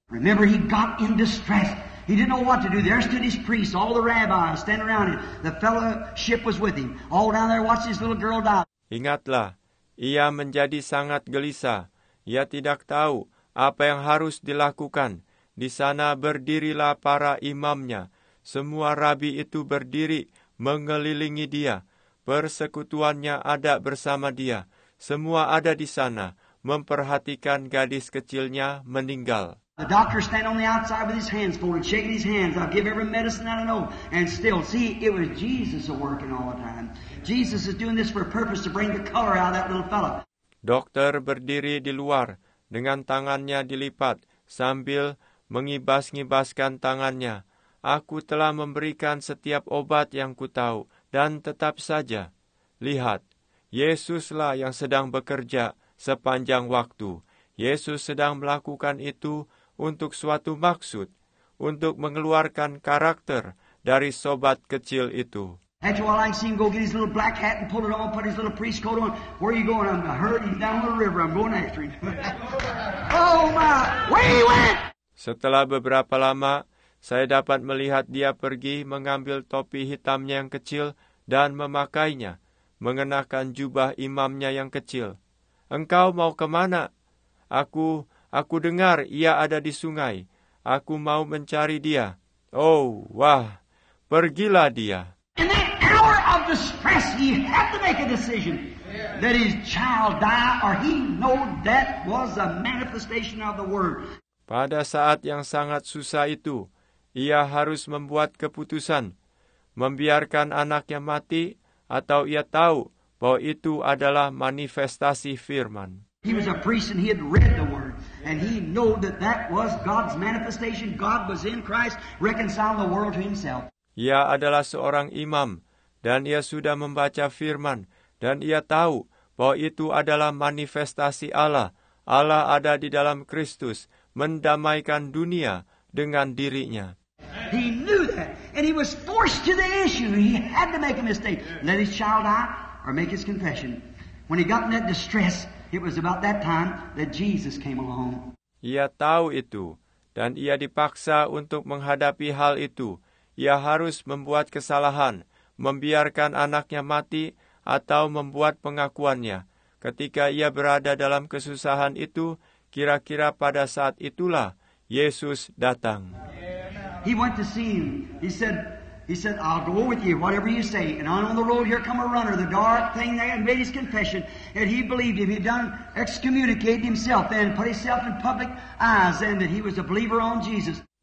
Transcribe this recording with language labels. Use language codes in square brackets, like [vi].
[en] Remember, he got in distress. He didn't know what to do. There stood his priests, all the rabbis standing around him. The fellowship was with him. All down there watched his little girl die. [id] Ingatlah, ia menjadi sangat gelisah. Ia tidak tahu apa yang harus dilakukan. Di sana berdirilah para imamnya. Semua rabi itu berdiri mengelilingi dia. Persekutuannya ada bersama dia. Semua ada di sana. Memperhatikan gadis kecilnya meninggal. [en] The doctor stand on the outside with his hands folded, shaking his hands. I'll give every medicine I know. And still, see, it was Jesus working all the time. Jesus is doing this for a purpose to bring the color out of that little fellow. [id] Dokter berdiri di luar dengan tangannya dilipat sambil mengibas-ngibaskan tangannya. Aku telah memberikan setiap obat yang ku tahu dan tetap saja. Lihat, Yesuslah yang sedang bekerja. Sepanjang waktu, Yesus sedang melakukan itu untuk suatu maksud, untuk mengeluarkan karakter dari sobat kecil itu. [en] After all, I see him go get his little black hat and pull it on, put his little priest coat on. Where are you going? I'm hurt. He's down the river. I'm going after him. Oh my! Where he went? [id] Setelah beberapa lama, saya dapat melihat dia pergi mengambil topi hitamnya yang kecil dan memakainya, mengenakan jubah imamnya yang kecil. Engkau mau kemana? Aku dengar ia ada di sungai. Aku mau mencari dia. Oh, wah, pergilah dia. [en] In the hour of distress, he had to make a decision. Did his child die, or he know that was a manifestation of the word. [id] Pada saat yang sangat susah itu, ia harus membuat keputusan, membiarkan anaknya mati, atau ia tahu bahwa itu adalah manifestasi firman. [en] He was a priest and he had read the word. And he knew that that was God's manifestation. God was in Christ, reconciled the world to himself. [id] Ia adalah seorang imam. Dan ia sudah membaca firman. Dan ia tahu bahwa itu adalah manifestasi Allah. Allah ada di dalam Kristus, mendamaikan dunia dengan dirinya. [en] He knew that. And he was forced to the issue. He had to make a mistake. Let his child die. Or make his confession. When he got in that distress, it was about that time that Jesus came along. [id] Ia tahu itu, dan ia dipaksa untuk menghadapi hal itu, ia harus membuat kesalahan, membiarkan anaknya mati, atau membuat pengakuannya. Ketika ia berada dalam kesusahan itu, kira-kira pada saat itulah Yesus datang. [en] He went to see him. He said, I'll go with you, whatever you say. And on the road, here come a runner, the dark thing there, and made his confession. And he believed him. He'd done excommunicated himself then, put himself in public eyes then, that he was a believer on Jesus.